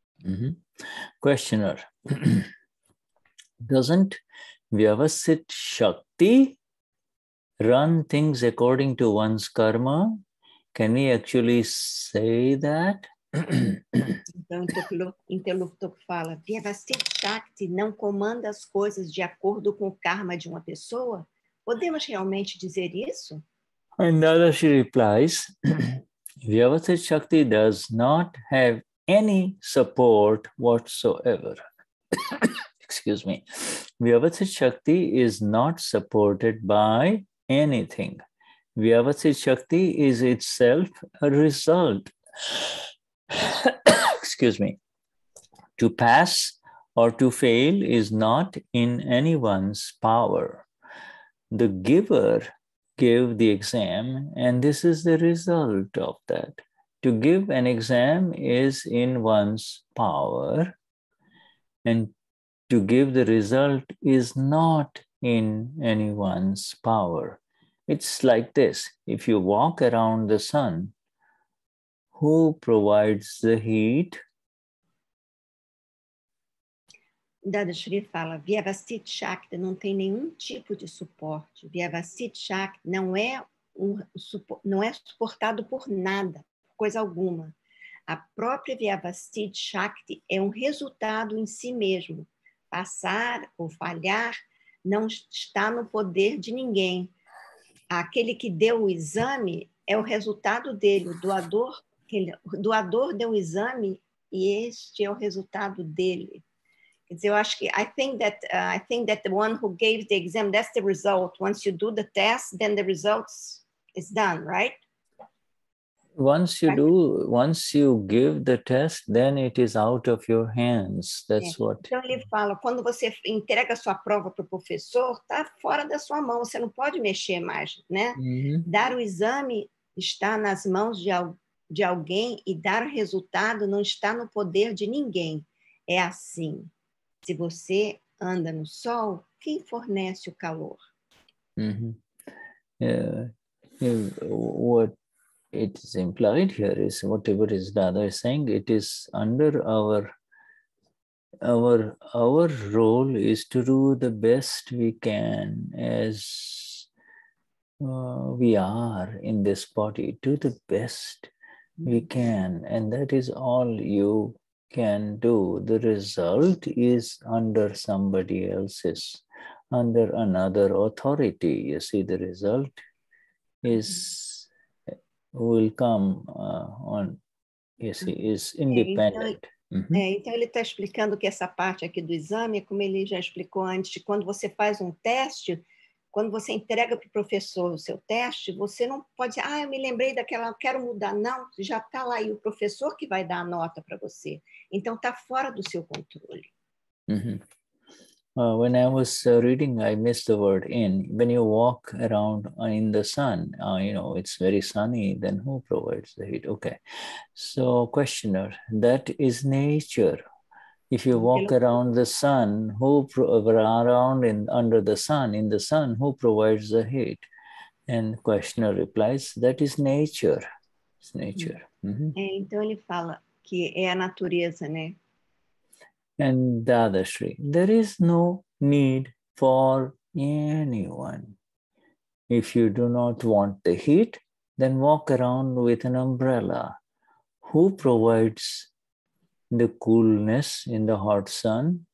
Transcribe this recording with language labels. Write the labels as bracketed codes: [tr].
[en] Uhum. Questioner. Doesn't Vyavasthit Shakti run things according to one's karma? Can he actually say that? Então, o interlocutor fala, Vyavasthit Shakti não comanda as coisas de acordo com o karma de uma pessoa? Podemos realmente dizer isso? And Dadashri replies, Vyavasthit Shakti does not have any support whatsoever. Excuse me. Vyavasthit Shakti is not supported by anything. Vyavasthit Shakti is itself a result. Excuse me. To pass or to fail is not in anyone's power. The giver gave the exam, and this is the result of that. To give an exam is in one's power, and to give the result is not in anyone's power. It's like this. If you walk around the sun, who provides the heat? [pt] Dadashri fala, Vyavasthit Shakti não tem nenhum tipo de suporte. Vyavasthit Shakti não é suportado por nada, por coisa alguma. A própria Vyavasthit Shakti é um resultado em si mesmo. Passar ou falhar não está no poder de ninguém. Aquele que deu o exame é o resultado dele. O doador deu o exame e este é o resultado dele. [en] I think that the one who gave the exam, that's the result. Once you do the test, then the result is done, right? Once you give the test, then it is out of your hands. That's what. [pt] Então ele fala, quando você entrega sua prova para o professor, está fora da sua mão. Você não pode mexer mais, né? Mm-hmm. Dar o exame está nas mãos de alguém e dar o resultado não está no poder de ninguém. É assim. Se você anda no sol, quem fornece o calor? Uh-huh. [en] What it is implied here is whatever is Dada is saying, it is under our role is to do the best we can as we are in this body, do the best we can, and that is all you can do. The result is under somebody else's, under another authority. You see, the result is independent. [pt] Então ele está explicando que essa parte aqui do exame, como ele já explicou antes, quando você faz um teste, quando você entrega para o professor o seu teste, você não pode dizer, ah, eu me lembrei daquela, eu quero mudar. Não, já está lá aí o professor que vai dar a nota para você. Então, está fora do seu controle. Uh-huh. [en] When I was reading, I missed the word in. When you walk around in the sun, it's very sunny, then who provides the heat? Okay. So, questioner, that is nature. If you walk around the sun, who provides the heat? And questioner replies, that is nature. It's nature. Mm-hmm. [pt] Então ele fala que é a natureza, né? [en] And Dadashri, there is no need for anyone. If you do not want the heat, then walk around with an umbrella. Who provides the coolness in the hot sun?